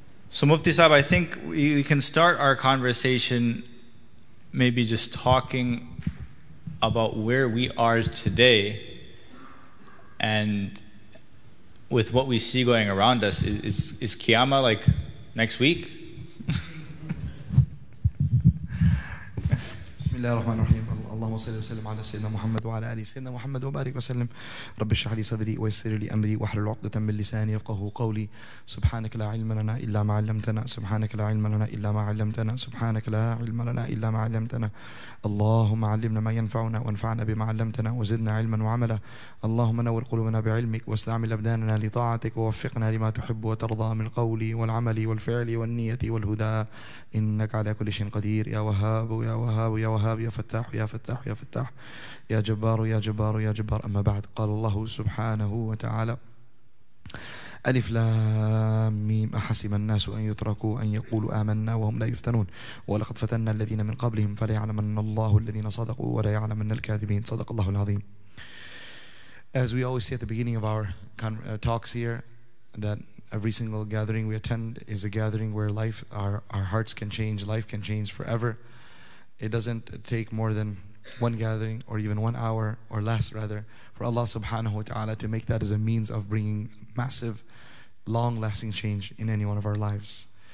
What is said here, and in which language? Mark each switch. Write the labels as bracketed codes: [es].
[en] So Mufti Sahib, I think we can start our conversation maybe just talking about where we are today, and with what we see going around us, is Qiyamah like next week? [ar] Bismillah ar-Rahman ar-Rahim. اللهم صل وسلم على سيدنا محمد وعلى آله سيدنا محمد وبارك وسلم رب اشرح لي صدري ويسر لي أمري واحلل عقدة من لساني يفقهوا قولي سبحانك لا علم لنا إلا ما علمتنا سبحانك لا علم لنا إلا ما علمتنا سبحانك لا علم لنا إلا ما علمتنا اللهم علمنا ما ينفعنا وانفعنا بما علمتنا وزدنا علما وعملا اللهم نور قلوبنا بعلمك واستعمل أبداننا لطاعتك ووفقنا لما تحب وترضى من القول والعمل والفعل والنية والهدى إنك على كل شيء قدير يا وهاب يا وهاب يا وهاب يا فتاح يا فتاح يا فتاح يا جبار يا جبار يا جبار أما بعد قال الله سبحانه وتعالى ألف لام ميم أحسب الناس أن يتركوا أن يقولوا آمنا وهم لا يفتنون ولقد فتنا الذين من قبلهم فليعلمن الله الذين صدقوا وليعلمن الكاذبين صدق الله العظيم. [en] As we always say at the beginning of our talks here, that every single gathering we attend is a gathering where life, our hearts can change, life can change forever. It doesn't take more than one gathering, or even 1 hour, or less rather, for Allah subhanahu wa ta'ala to make that as a means of bringing massive, long-lasting change in any one of our lives.